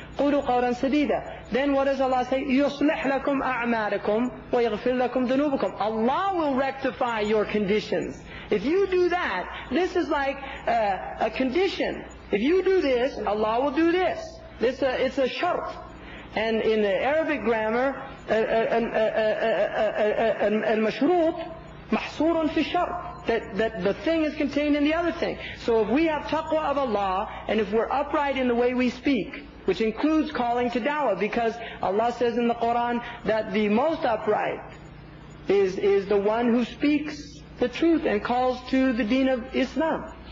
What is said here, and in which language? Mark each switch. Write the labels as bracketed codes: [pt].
[ar] قُلُوا قَوْلًا سَدِيدًا. Then what does Allah say? يُصْلِحْ لَكُمْ أَعْمَالَكُمْ وَيَغْفِرْ لَكُمْ ذُنُوبَكُمْ. [en] Allah will rectify your conditions. If you do that, this is like a condition. If you do this, Allah will do this. This it's a shart. And in the Arabic grammar, المشروط محصور في الشرط. That the thing is contained in the other thing. So if we have taqwa of Allah, and if we're upright in the way we speak, which includes calling to dawah, because Allah says in the Quran that the most upright is the one who speaks the truth and calls to the deen of Islam.